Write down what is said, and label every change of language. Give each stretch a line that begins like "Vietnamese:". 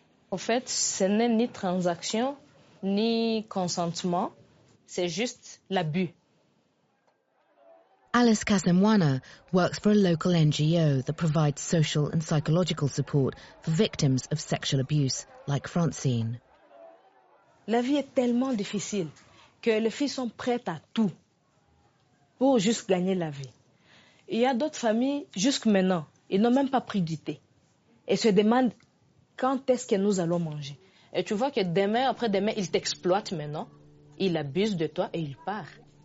French: Au fait, ce n'est ni transaction, ni consentement. C'est juste l'abus.
English: Alice Kasemwana works for a local NGO that provides social and psychological support for victims of sexual abuse, like Francine.
French: La vie est tellement difficile que les filles sont prêtes à tout pour juste gagner la vie. Il y a d'autres familles, jusque maintenant, ils n'ont même pas pris du thé. Et se demandent quand est-ce que nous allons manger. Et tu vois que demain, après demain, ils t'exploitent maintenant, ils abusent de toi et ils partent.